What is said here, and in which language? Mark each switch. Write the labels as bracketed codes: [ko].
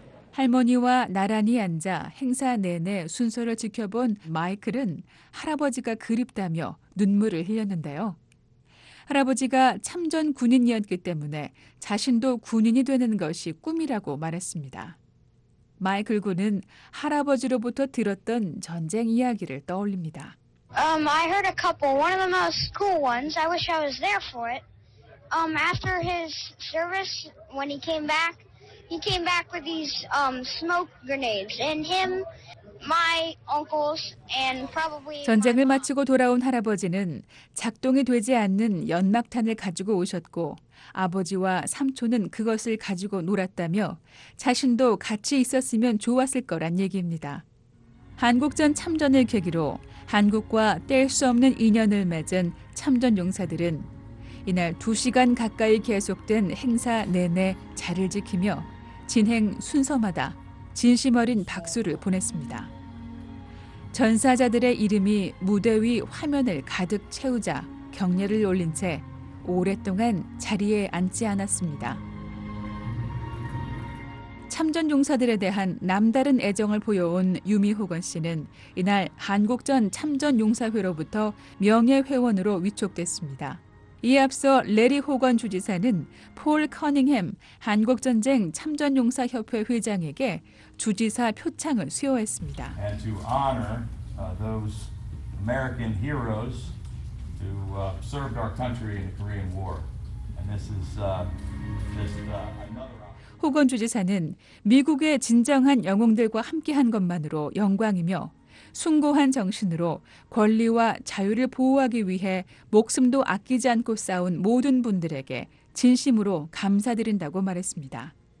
[ko] 할머니와 나란히 앉아 행사 내내 순서를 지켜본 마이클은 할아버지가 그립다며 눈물을 흘렸는데요. 할아버지가 참전 군인이었기 때문에 자신도 군인이 되는 것이 꿈이라고 말했습니다. 마이클 군은 할아버지로부터 들었던 전쟁 이야기를 떠올립니다. [en] I heard a couple. One of the most cool ones. I wish I was there for it. After his service, when he came back with these smoke grenades. And him, my uncles, and probably. [ko] 전쟁을 마치고 돌아온 할아버지는 작동이 되지 않는 연막탄을 가지고 오셨고 아버지와 삼촌은 그것을 가지고 놀았다며 자신도 같이 있었으면 좋았을 거란 얘기입니다. 한국전 참전을 계기로 한국과 뗄 수 없는 인연을 맺은 참전 용사들은 이날 2시간 가까이 계속된 행사 내내 자리를 지키며 진행 순서마다 진심 어린 박수를 보냈습니다. 전사자들의 이름이 무대 위 화면을 가득 채우자 경례를 올린 채 오랫동안 자리에 앉지 않았습니다. 참전 용사들에 대한 남다른 애정을 보여온 유미호건 씨는 이날 한국전 참전 용사회로부터 명예 회원으로 위촉됐습니다. 이에 앞서 레리 호건 주지사는 폴 커닝햄 한국전쟁 참전용사협회 회장에게 주지사 표창을 수여했습니다. [en] And to honor those American heroes who served our country in the Korean War. And this is just another. [ko] 호건 주지사는 미국의 진정한 영웅들과 함께한 것만으로 영광이며 숭고한 정신으로 권리와 자유를 보호하기 위해 목숨도 아끼지 않고 싸운 모든 분들에게 진심으로 감사드린다고 말했습니다.